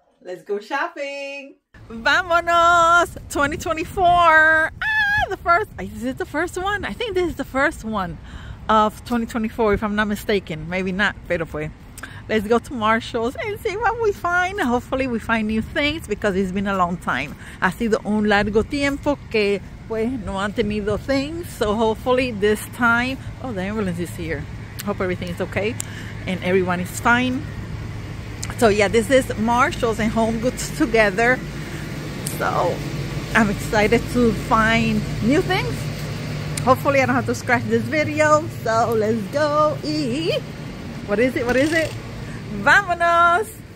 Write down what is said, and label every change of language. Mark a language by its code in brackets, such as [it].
[en] Let's go shopping. Vámonos. 2024. Ah, the first. Is it the first one? I think this is the first one of 2024, if I'm not mistaken. Maybe not, pero fue. Let's go to Marshalls and see what we find. Hopefully we find new things because it's been a long time. [es] Ha sido un largo tiempo que pues no han tenido things. [en] So hopefully this time, oh, the ambulance is here. Hope everything is okay and everyone is fine. So yeah, this is Marshalls and Home Goods together. So I'm excited to find new things. Hopefully I don't have to scratch this video. So let's go. What is it? What is it? Vámonos!